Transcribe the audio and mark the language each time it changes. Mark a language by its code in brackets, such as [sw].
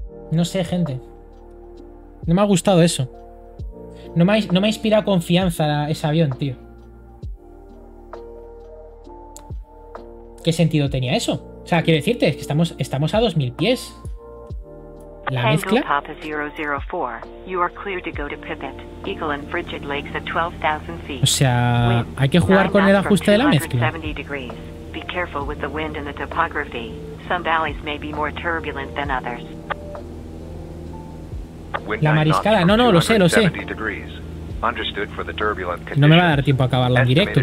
[es] No sé, gente. No me ha gustado eso. No me ha inspirado confianza ese avión, tío. ¿Qué sentido tenía eso? O sea, quiero decirte, es que estamos a 2000 pies. La mezcla. [en] Tango Papa 004, you are clear to go to Pipit. Eagle and Frigid Lakes at 12,000 feet. [es] O sea, hay que jugar con el ajuste de la mezcla. [en] Be careful with the wind and the topography. Some valleys may be more turbulent than others. [es] La mariscada, no, no, lo sé No me va a dar tiempo a acabarlo en directo.